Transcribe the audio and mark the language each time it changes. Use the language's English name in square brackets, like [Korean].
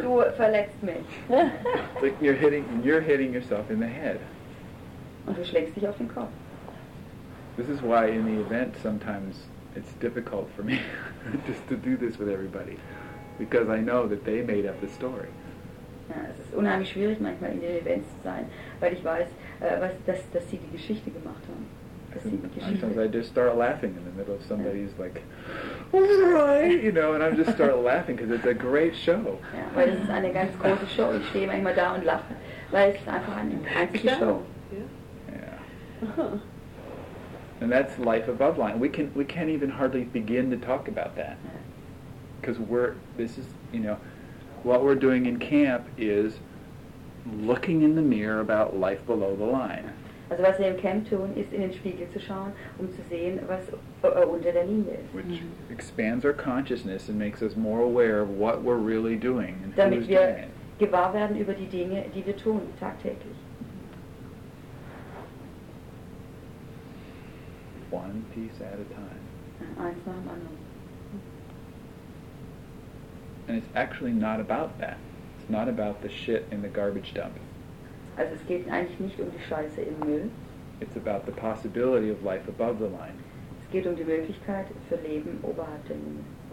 [German] Du verletzt mich. [English] Like you're hitting yourself in the head. [German] Und du schlägst dich auf den Kopf. [English] This is why in the event sometimes it's difficult for me just to do this with everybody, because I know that they made up the story. [German] Ja, es ist unheimlich schwierig manchmal in den Events zu sein, weil ich weiß, dass sie die Geschichte gemacht haben. [English] Sometimes I just start laughing in the middle of somebody's like, right, you know, and I just start laughing because it's a great show. [German] Yeah, weil es ist eine ganz große Show. Ich stehe manchmal da und lache, weil es einfach eine fantastische Show. [English] Yeah. And that's life above line. We can't even hardly begin to talk about that, because what we're doing in camp is looking in the mirror about life below the line. [German] Also was wir im Camp tun, ist in den Spiegel zu schauen, zu sehen, was unter der Linie ist. [English] Which expands our consciousness and makes us more aware of what we're really doing and who's doing it. [German] Damit wir gewahr werden über die Dinge, die wir tun, tagtäglich. [English] One piece at a time. [German] Eins nach dem anderen. [English] And it's actually not about that. It's not about the shit in the garbage dump. [German] Also es geht eigentlich nicht die Scheiße im Müll. [English] It's about the possibility of life above the line. [German] Es geht die Möglichkeit für Leben oberhalb der Linie.